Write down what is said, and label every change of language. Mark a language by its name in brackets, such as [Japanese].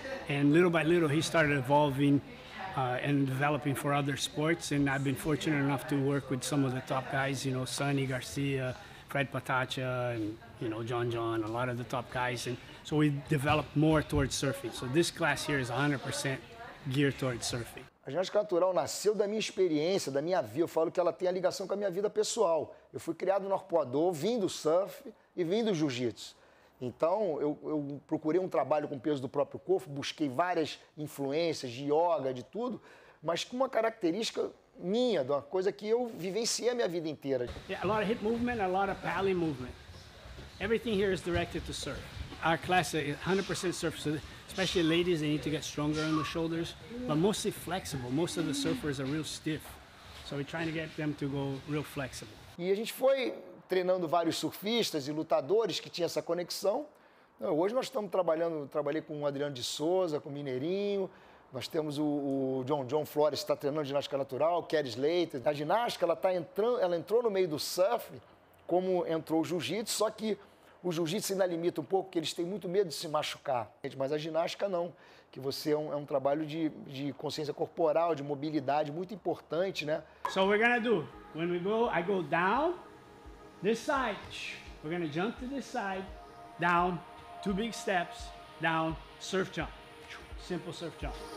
[English] And little by little, he started evolving and developing for other sports, and I've been fortunate enough to work with some of the top guys, you know, Sonny Garcia, Fred Patacha, and, you know, John, a lot of the top guys, and so we developed more towards surfing. So this class here is 100% geared towards surfing. [Portuguese] A ginástica natural nasceu da minha experiência, da minha vida. Eu falo que ela tem a ligação com a minha vida pessoal. Eu fui criado no arpoador, vim do surf e vim do jiu-jitsu. Então, eu procurei um trabalho com peso do próprio corpo, busquei várias influências de yoga, de tudo, mas com uma característica minha, de uma coisa que eu vivenciei a minha vida inteira. [English] Yeah, a lot of hip movement, a lot of pally movement. Everything here is directed to surf. Our class is 100% surf, so especially ladies, they need to get stronger on the shoulders, but mostly flexible. Most of the surfers are real stiff, so we're trying to get them to go real flexible. [Portuguese] E a gente foi treinando vários surfistas e lutadores que tinham essa conexão. Hoje nós estamos trabalhando, trabalhei com o Adriano de Souza, com o Mineirinho, nós temos o John Flores que está treinando ginástica natural, o Kerry Slater. A ginástica, ela entrou no meio do surf, como entrou o jiu-jitsu, só que o jiu-jitsu ainda limita um pouco, porque eles têm muito medo de se machucar. Mas a ginástica não, que você é um trabalho de consciência corporal, de mobilidade, muito importante, né? [English] So we're gonna do, when we go, I go down, this side, we're gonna jump to this side, down, 2 big steps, down, surf jump, simple surf jump.